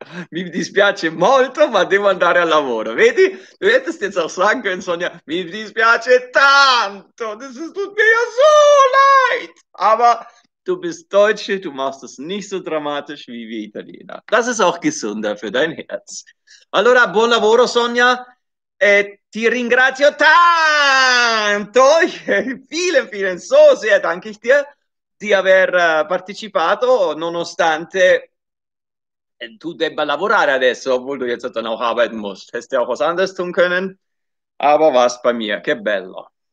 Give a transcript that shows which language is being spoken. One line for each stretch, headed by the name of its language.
Italian: Mi dispiace molto, ma devo andare al lavoro. Vedi?
German: Du hättest jetzt auch sagen können, Sonja,
Italian: mi dispiace tanto.
German: Das tut mir ja so leid. Aber du bist Deutsche, du machst es nicht so dramatisch wie wir Italiener. Das ist auch gesünder für dein Herz.
Italian: Allora, buon lavoro, Sonja. E ti ringrazio tanto.
German: Vielen, vielen, so sehr danke ich dir
Italian: di aver partecipato, nonostante tu debba lavorare adesso,
German: obwohl du jetzt dann auch arbeiten musst. Hättest du ja auch was anderes tun können, aber was bei mir,
Italian: che bello.